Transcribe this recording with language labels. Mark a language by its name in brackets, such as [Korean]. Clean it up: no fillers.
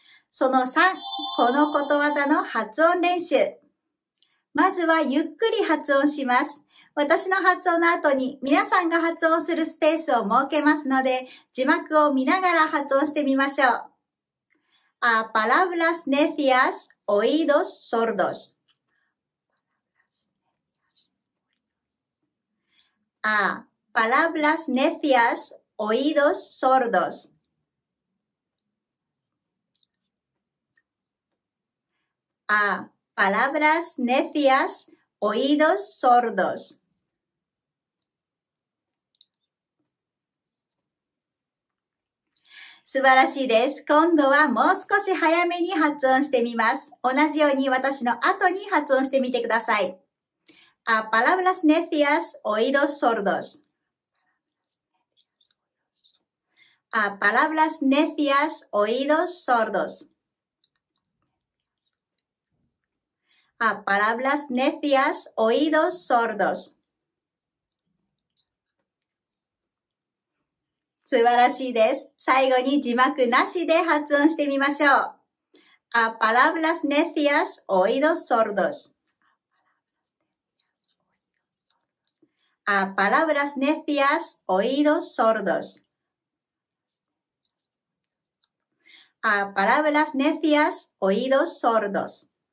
[Japanese] その3、このことわざの発音練習。まずはゆっくり発音します。私の発音の後に皆さんが発音するスペースを設けますので、字幕を見ながら発音してみましょう。 [Spanish] A palabras necias, oídos sordos. A palabras necias, oídos sordos. A. Palabras necias, oídos sordos. [Japanese] すばらしいです。今度はもう少し早めに発音してみます。同じように私の後に発音してみてください。 [Spanish] A palabras necias, oídos sordos. A palabras necias, oídos sordos. A palabras necias, oídos sordos. [Japanese] 素晴らしいです。最後に字幕なしで発音してみましょう。 [Spanish] A palabras necias, oídos sordos. A palabras necias, oídos sordos. A palabras necias, oídos sordos.